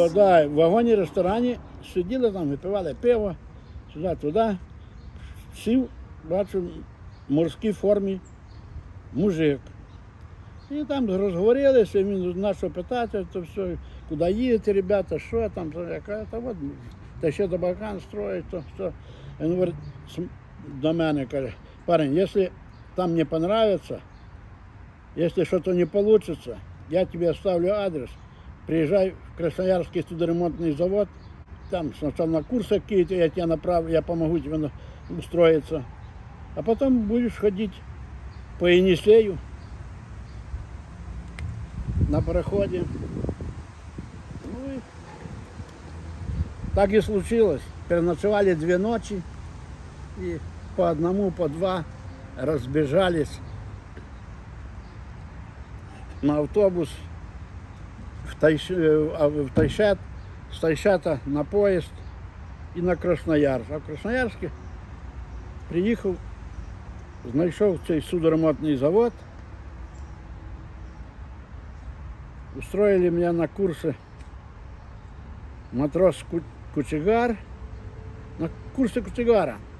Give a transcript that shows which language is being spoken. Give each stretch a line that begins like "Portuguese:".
Ukrainian: Ну, так, да, в вагоні, ресторані, сиділи там, випивали пиво, сюди-туди. Сів, бачу, в морській формі мужик. І там розговорилися, він почав питати, то все, куди їдете, ребята, що там, то я кажу, та от, та ще до Балкан строїть, то все. Він говорить до мене, каже, парень, якщо там
Russian: не понравится, если что-то не получится, я тебе оставлю адрес, приезжай в Красноярский судоремонтный завод, там сначала на курсы какие-то я тебя направлю, я помогу тебе устроиться, а потом будешь ходить по Енисею на пароходе. Ну и так и случилось, переночевали две ночи и по одному, по два.
Ukrainian: Розбіжались на автобус в Тайшет, з Тайшета на поїзд і на Красноярськ. А в Красноярське приїхав, знайшов цей судоремонтний завод, устроїли мене на курси матрос-кучегар, на курси кучегара.